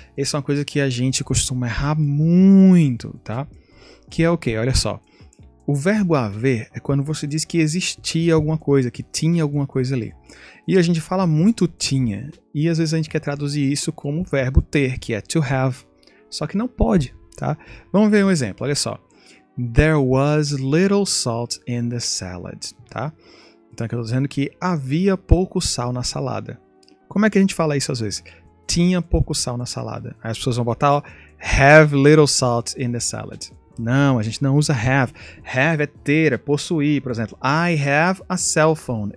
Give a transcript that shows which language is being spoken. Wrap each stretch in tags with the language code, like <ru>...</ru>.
<pt>Essa é uma coisa que a gente costuma errar muito, tá? Que é o quê? Olha só. O verbo haver é quando você diz que existia alguma coisa, que tinha alguma coisa ali. E a gente fala muito tinha, e às vezes a gente quer traduzir isso como o verbo ter, que é to have. Só que não pode, tá? Vamos ver um exemplo, olha só.</pt> <en>There was little salt in the salad, tá?</en> <pt>Então aqui eu tô dizendo que havia pouco sal na salada. Como é que a gente fala isso às vezes? Tinha pouco sal na salada. Aí as pessoas vão botar, ó,</pt> <en>have little salt in the salad.</en> <pt>Não, a gente não usa have. Have é ter, é possuir.</pt> <en>Por exemplo, I have a cell phone.</en>